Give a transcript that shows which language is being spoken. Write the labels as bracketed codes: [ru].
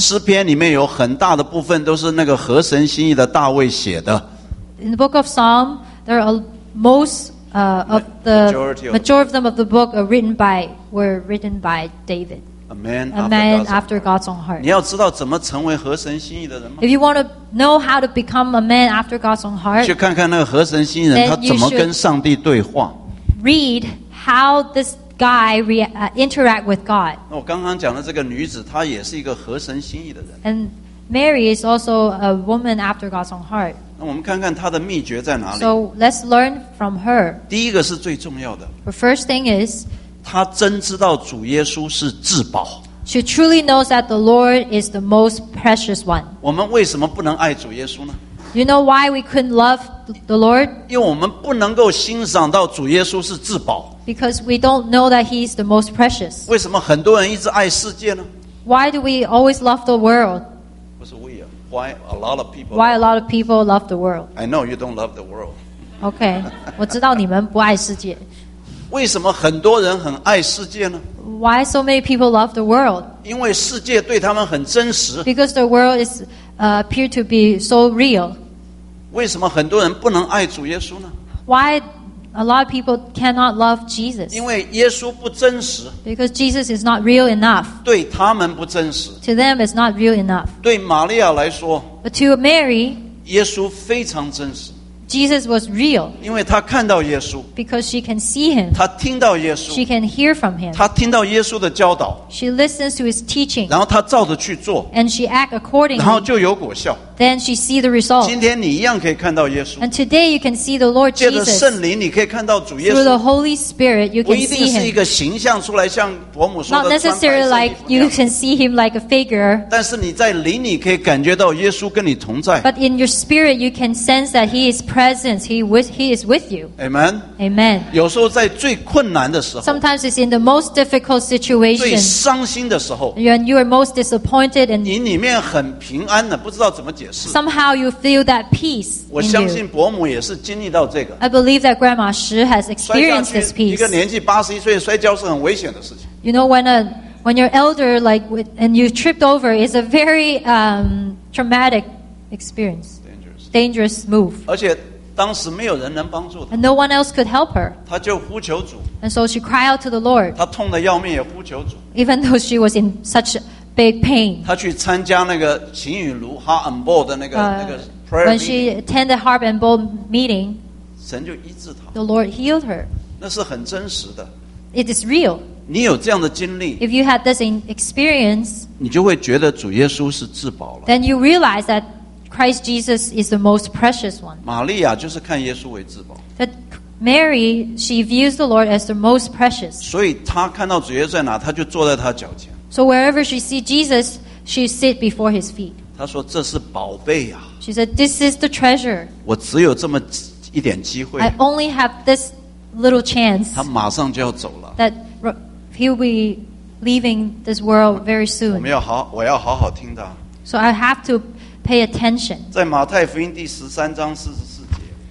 [zh] 诗篇里面有很大的部分都是那个合神心意的大卫写的。 [en] In the book of Psalm, there are most of the majority of them of the book are written by David. A man after God's own heart. [zh] 你要知道怎么成为合神心意的人吗 [en] ？If you want to know how to become a man after God's own heart, [zh] 去看看那个合神心意人他怎么跟上帝对话。 [en] Read how this guy interact with God. [zh] 我刚刚讲的这个女子，她也是一个合神心意的人。 [en] And Mary is also a woman after God's own heart. [zh] 那我们看看她的秘诀在哪里。 [en] So let's learn from her. [zh] 第一个是最重要的。 [en] The first thing is, [zh] 她真知道主耶稣是至宝。 [en] She truly knows that the Lord is the most precious one. [zh] 我们为什么不能爱主耶稣呢？ [en] You know why we couldn't love the Lord? [zh] 因为我们不能够欣赏到主耶稣是至宝。 [en] Because we don't know that He is the most precious. [zh] 为什么很多人一直爱世界呢 [en] ？Why do we always love the world? [zh] 不是 [en] we 啊 ，Why a lot of people? Why a lot of people love the world? I know you don't love the world. [zh] Okay, 我知道你们不爱世界。为什么很多人很爱世界呢 [en] ？Why so many people love the world? [zh] 因为世界对他们很真实。 [en] Because the world is appear to be so real. [zh] 为什么很多人不能爱主耶稣呢 [en] ？Why a lot of people cannot love Jesus？ [zh] 因为耶稣不真实。 [en] Because Jesus is not real enough。 [zh] 对他们不真实。 [en] To them, it's not real enough。 [zh] 对玛利亚来说。 [en] But to Mary, [zh] 耶稣非常真实。 [en] Jesus was real。 [zh] 因为他看到耶稣。 [en] Because she can see him。 [zh] 他听到耶稣。 [en] She can hear from him。 [zh] 他听到耶稣的教导。 [en] She listens to his teaching。 [zh] 然后他照着去做。 [en] And she act accordingly。 [zh] 然后就有果效。 [en] Then she see the result. [zh] 今天你一样可以看到耶稣。 [en] And today you can see the Lord Jesus. [zh] 借着圣灵，你可以看到主耶稣。 [en] Through the Holy Spirit, you can see him. [zh] 不一定是一个形象出来，像伯母说的。 [en] Not necessarily like you can see him like a figure. [zh] 但是你在灵里可以感觉到耶稣跟你同在。 [en] But in your spirit, you can sense that he is present. He is with you. Amen. Amen. [zh] 有时候在最困难的时候。 [en] Sometimes it's in the most difficult situation. [zh] 最伤心的时候。 [en] When you are most disappointed and [zh] 你里面很平安的，不知道怎么解。解释。 [en] Somehow you feel that peace. [zh] 我相信伯母也是经历到这个。 [en] I believe that Grandma Shi has experienced this peace. [zh] 一个年纪81岁摔跤是很危险的事情。 [en] You know when you're elder, like and you tripped over, it's a very traumatic experience. Dangerous move. [zh] 而且当时没有人能帮助她。 [en] And no one else could help her. [zh] 她就呼求主。 [en] And so she cried out to the Lord. [zh] 她痛得要命也呼求主。 [en] Even though she was in such big pain. [zh] 她去参加那个秦与卢哈恩波的那个 [en] prayer meeting. When she attended the Harp and Bowl meeting, [zh] 神就医治她。 [en] The Lord healed her. [zh] 那是很真实的。 [en] It is real. [zh] 你有这样的经历， [en] if you had this experience, [zh] 你就会觉得主耶稣是至宝了。 [en] Then you realize that Christ Jesus is the most precious one. [zh] 玛利亚就是看耶稣为至宝。 [en] That Mary, she views the Lord as the most precious. [zh] 所以她看到主耶稣在哪，她就坐在他脚前。 [en] So wherever she sees Jesus, she sits before his feet. [zh] 她说这是宝贝呀。 [en] She said, "This is the treasure." [zh] 我只有这么一点机会。 [en] I only have this little chance. [zh] 她马上就要走了。 [en] That He'll be leaving this world very soon. [zh] 我要好好听他。 [en] So I have to pay attention. [zh] 在马太福音第十三章四十四节。